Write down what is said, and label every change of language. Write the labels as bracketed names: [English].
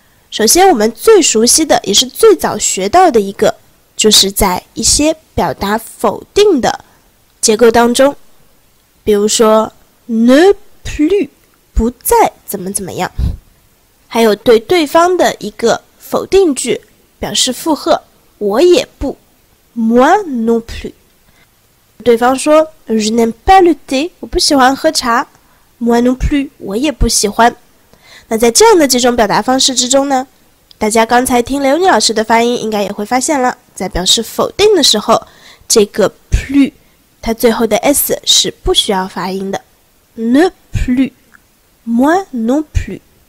[Chinese] 首先，我们最熟悉的也是最早学到的一个，就是在一些表达否定的结构当中，比如说 ne plus 不再怎么怎么样，还有对对方的一个否定句表示附和，我也不。 [French] Moi non plus. [Chinese] 对方说 [French] Je n'aime pas le thé. [Chinese] 我不喜欢喝茶。 [French] Moi non plus. [Chinese] 我也不喜欢。那在这样的几种表达方式之中呢，大家刚才听刘妮老师的发音应该也会发现了，在表示否定的时候，这个 plus 它最后的 S 是不需要发音的。 [French] Ne plus. Moi non plus.